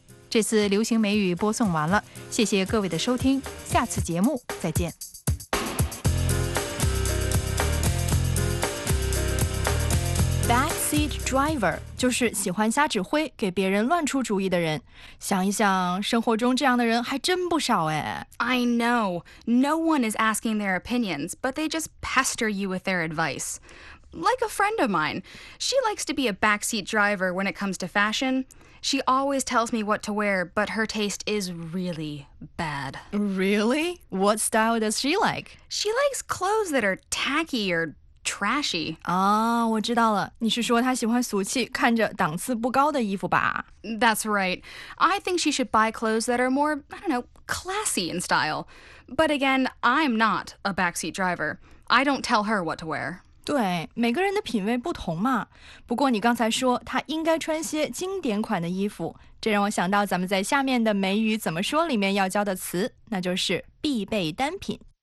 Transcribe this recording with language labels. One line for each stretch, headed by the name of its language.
Chinese: 这次流行美语播送完了，谢谢各位的收听，下次节目再见。 Backseat driver 就是喜欢瞎指挥，给别人乱出主意的人。想一想，生活中这样的人还真不少哎。
English: I know, no one is asking their opinions, but they just pester you with their advice. Like a friend of mine. She likes to be a backseat driver when it comes to fashion. She always tells me what to wear, but her taste is really bad. Really? What style does she like? She likes clothes that are tacky or trashy.
Chinese: Oh, 我知道了。你是说她喜欢俗气、看着档次不高的衣服吧?
English: That's right. I think she should buy clothes that are more, I don't know, classy in style. But again, I'm not a backseat driver. I don't tell her what to wear.
Chinese: 对，每个人的品味不同嘛。不过你刚才说她应该穿些经典款的衣服，这让我想到咱们在下面的美语怎么说里面要教的词，那就是必备单品。